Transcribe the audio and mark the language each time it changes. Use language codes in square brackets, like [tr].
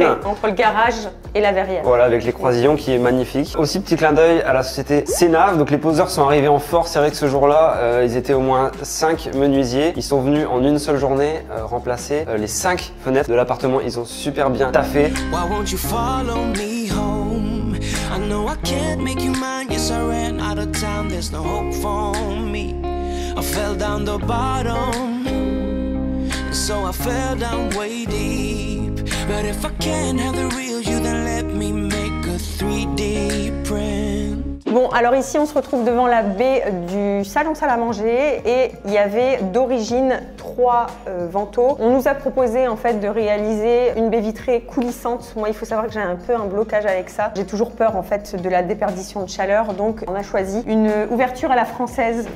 [fr] La baie vitrée, entre le garage et la verrière. Voilà, avec les croisillons qui est magnifique. Aussi, petit clin d'œil à la société Cénave. Donc, les poseurs sont arrivés en force. C'est vrai que ce jour-là, ils étaient au moins 5 menuisiers. Ils sont venus en une seule journée remplacer les 5 fenêtres de l'appartement. Ils ont super bien taffé. [en] Why won't you follow me home? I know I can't make you mine. Yes, I ran out of time. There's no hope for me. I fell down the bottom. So I fell down way deep. But if I can't have the real you, then let me make a 3D print. [fr] Bon, alors ici, on se retrouve devant la baie du salon salle à manger et il y avait d'origine 3 vantaux. On nous a proposé en fait de réaliser une baie vitrée coulissante. Moi, il faut savoir que j'ai un peu un blocage avec ça. J'ai toujours peur en fait de la déperdition de chaleur, donc on a choisi une ouverture à la française.